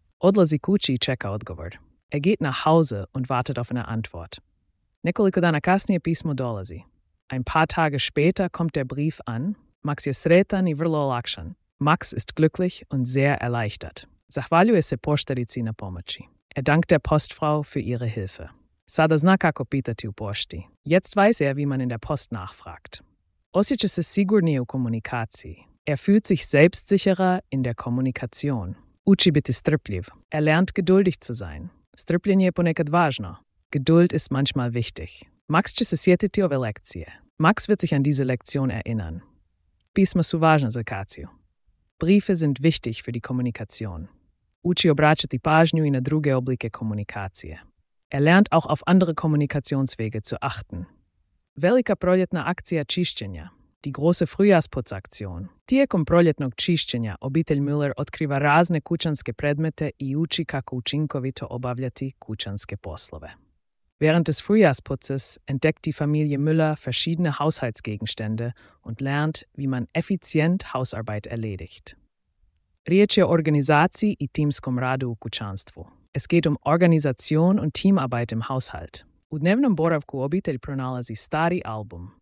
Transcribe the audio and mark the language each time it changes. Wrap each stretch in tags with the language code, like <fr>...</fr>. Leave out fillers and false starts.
<hr>Odlazi kući i čeka odgovor.</hr> <de>Er geht nach Hause und wartet auf eine Antwort.</de> <hr>Nekoliko dana kasnije pismo dolazi.</hr> <de>Ein paar Tage später kommt der Brief an.</de> <hr>Max je sretan i vrlo olakšan.</hr> <de>Max ist glücklich und sehr erleichtert.</de> <hr>Zahvaljuje se poštarici na pomoći.</hr> <de>Er dankt der Postfrau für ihre Hilfe.</de> <hr>Sada zna kako pitati u pošti.</hr> <de>Jetzt weiß er, wie man in der Post nachfragt.</de> <hr>Osjeća se sigurnije u komunikaciji.</hr> <de>Er fühlt sich selbstsicherer in der Kommunikation.</de> <hr>Uči biti strpljiv.</hr> <de>Er lernt geduldig zu sein.</de> <hr>Strpljenje je ponekad važno.</hr> <de>Geduld ist manchmal wichtig.</de> <hr>Max će se sjetiti ove lekcije.</hr> <de>Max wird sich an diese Lektion erinnern.</de> <hr>Pisma su važna za kaciju.</hr> <de>Briefe sind wichtig für die Kommunikation.</de> <hr>Uči obraćati pažnju i na druge oblike komunikacije.</hr> <de>Er lernt auch auf andere Kommunikationswege zu achten.</de> <hr>Velika proljetna akcija čišćenja,</hr> <de>die große Frühjahrsputzaktion.</de> <hr>Tijekom proljetnog čišćenja, obitelj Müller otkriva razne kućanske predmete i uči kako učinkovito obavljati kućanske poslove.</hr> <de>Während des Frühjahrsputzes entdeckt die Familie Müller verschiedene Haushaltsgegenstände und lernt, wie man effizient Hausarbeit erledigt.</de> <hr>Riječ je o organizaciji i timskom radu u kućanstvu.</hr> <de>Es geht um Organisation und Teamarbeit im Haushalt.</de> <hr>U dnevnom boravku obitelj pronalazi stari album.</hr>